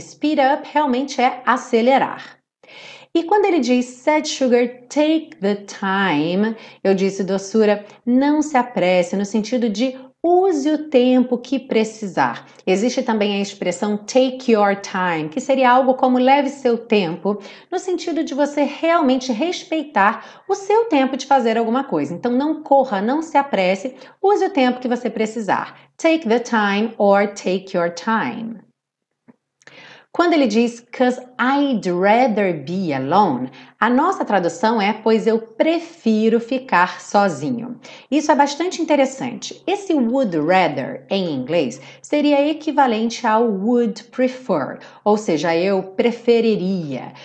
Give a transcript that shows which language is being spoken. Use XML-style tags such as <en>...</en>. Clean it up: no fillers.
<pt>Speed up realmente é acelerar. E quando ele diz,</pt> <en>sad sugar, take the time,</en> <pt>eu disse, doçura, não se apresse, no sentido de use o tempo que precisar. Existe também a expressão take your time, que seria algo como leve seu tempo, no sentido de você realmente respeitar o seu tempo de fazer alguma coisa. Então, não corra, não se apresse, use o tempo que você precisar.</pt> <en>Take the time or take your time.</en> <pt>Quando ele diz,</pt> <en>'cause I'd rather be alone,</en> <pt>a nossa tradução é, pois eu prefiro ficar sozinho. Isso é bastante interessante. Esse would rather, em inglês, seria equivalente ao would prefer, ou seja, eu preferiria.</pt>